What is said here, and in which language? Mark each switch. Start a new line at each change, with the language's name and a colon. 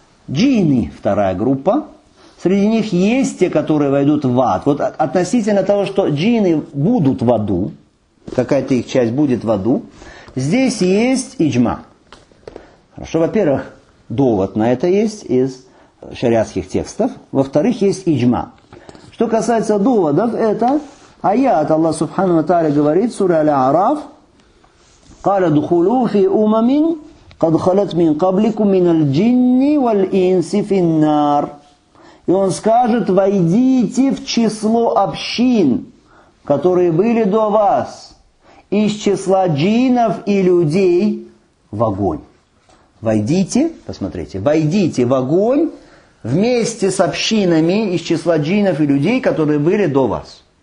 Russian: Джинны, вторая группа. Среди них есть те, которые войдут в ад. Вот относительно того, что джинны будут в аду, какая-то их часть будет в аду, здесь есть иджма. Хорошо, во-первых, довод на это есть из шариатских текстов. Во-вторых, есть иджма. Что касается доводов, это аят Аллах Субхану ва Тааля говорит, сура Аль-Араф,
Arabic: قَالَ دُخُلُوا فِي أُمَمٍ قَدْ خَلَتْ مِنْ قَبْلِكُمْ مِنَ الْجِنِّ وَالْإِنْسِ فِي النَّارِ.
Russian: И он скажет, войдите в число общин, которые были до вас, из числа джинов и людей в огонь. Войдите, посмотрите, войдите в огонь вместе с общинами из числа джинов и людей, которые были до вас.